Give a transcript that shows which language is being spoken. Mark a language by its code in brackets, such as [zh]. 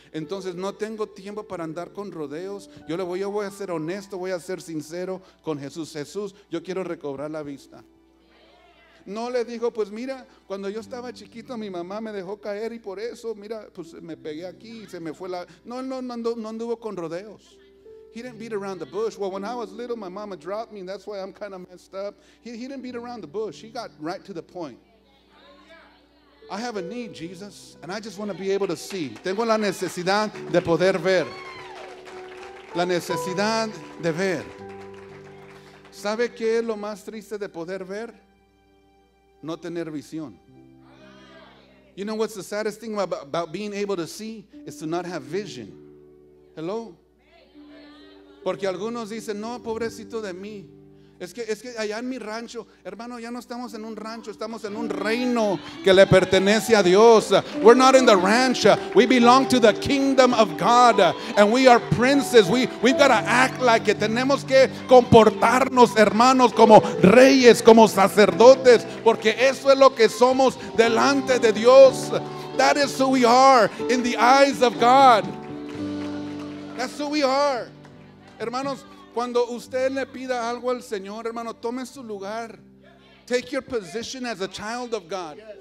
[es] Entonces no tengo tiempo para andar con rodeos. Yo voy a ser honesto, voy a ser sincero con Jesús. Jesús, yo quiero recobrar la vista. No le dijo, pues mira, cuando yo estaba chiquito mi mamá me dejó caer y por eso, mira, pues me pegué aquí y se me fue la... No anduvo con rodeos. [en] He didn't beat around the bush. Well, when I was little, my mama dropped me, and that's why I'm kind of messed up. He didn't beat around the bush. He got right to the point. I have a need, Jesus, and I just want to be able to see. [es] Tengo la necesidad de poder ver. La necesidad de ver. ¿Sabe qué es lo más triste de poder ver? No tener visión. [en] You know what's the saddest thing about being able to see? Is to not have vision. Hello? [es] Porque algunos dicen, no, pobrecito de mí. Es que allá en mi rancho, hermano, ya no estamos en un rancho, estamos en un reino que le pertenece a Dios. [en] We're not in the ranch. We belong to the kingdom of God. And we are princes. We've got to act like it. [es] Tenemos que comportarnos, hermanos, como reyes, como sacerdotes. Porque eso es lo que somos delante de Dios. [en] That is who we are in the eyes of God. That's who we are. [es] Hermanos, cuando usted le pida algo al Señor, hermano, tome su lugar. [en] Take your position as a child of God.